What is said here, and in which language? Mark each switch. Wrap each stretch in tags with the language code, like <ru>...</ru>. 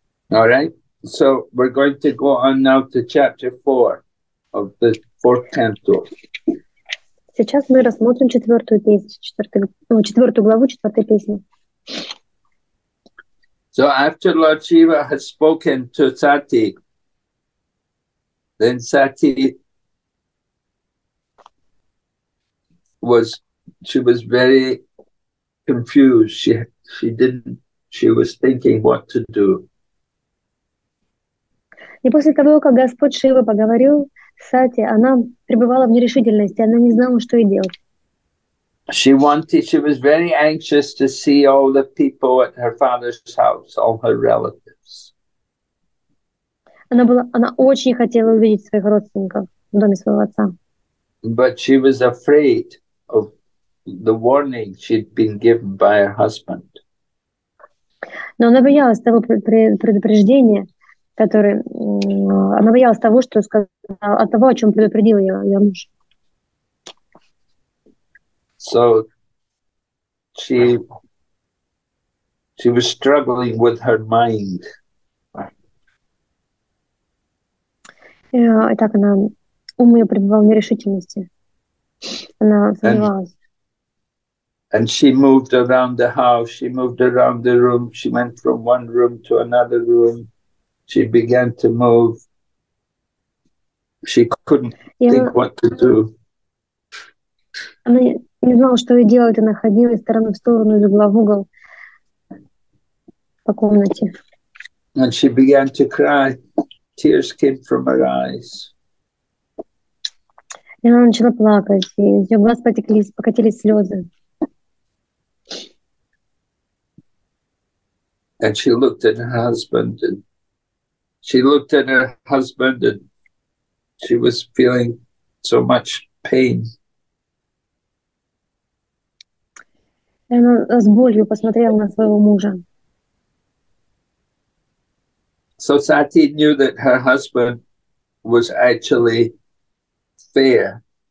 <en>All right. So we're going to go on now to chapter 4. Of the fourth canto.</en> <ru>Сейчас мы рассмотрим четвертую песню, четвертую главу четвертой песни.</ru> <en>So after Lord Shiva has spoken to Sati, then Sati was very confused. She was thinking what to do.</en> <ru>И после того, как Господь Шива поговорил, Сати, она пребывала в нерешительности, она не знала, что ей делать.</ru> <en>She was very anxious to see all the people at her father's house, all her relatives.</en> <ru>Она очень хотела увидеть своих родственников в доме своего отца.</ru> <en>But she was afraid of the warning she'd been given by her husband.</en> <ru>Но она боялась того предупреждения, который она боялась того, что сказал, от того, о чем предупредил ее ее муж.</ru> <en>So she was struggling with her mind.</en> <ru>И так она ум ее пребывал в нерешительности. Она сомневалась.</ru> <en>And she moved around the house, she moved around the room, she went from one room to another room. She began to move. She couldn't think what to do.</en> <ru>Она не знала, что ей делать. Она ходила из стороны в сторону, из угла в угол по комнате.</ru> <en>And she began to cry. Tears came from her eyes.</en> <ru>И она начала плакать. И из ее глаз покатились слезы.</ru> <en>And she looked at her husband and she looked at her husband and she was feeling so much pain.</en> <ru>Она с болью посмотрела на своего мужа.</ru> <en>So Sati knew that her husband was actually fair.</en>